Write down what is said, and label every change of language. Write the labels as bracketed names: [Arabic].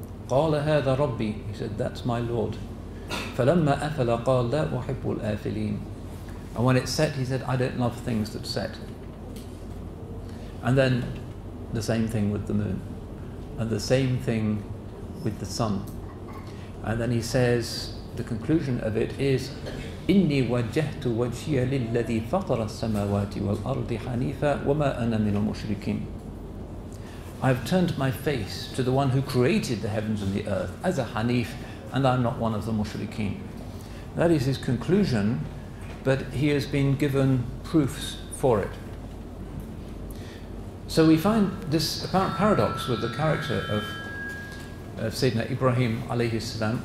[Arabic] قَالَ هَذَا رَبِّي. [English] He said, that's my Lord. [Arabic] فَلَمَّا أَفَلَ قَالَ لَا أُحِبُّ الْآفِلِينَ. [English] And when it set, he said, I don't love things that set. And then the same thing with the moon. And the same thing with the sun. And then he says, the conclusion of it is, [Arabic] إِنِّي وَجَّهْتُ وَجْهِيَ لِلَّذِي فَطَرَ السَّمَاوَاتِ وَالْأَرْضِ حَنِيفًا وَمَا أَنَا مِنَ الْمُشْرِكِينَ. [English] I've turned my face to the one who created the heavens and the earth as a Hanif, and I'm not one of the Mushrikeen. That is his conclusion, but he has been given proofs for it. So we find this apparent paradox with the character of Sayyidina Ibrahim alayhi salam.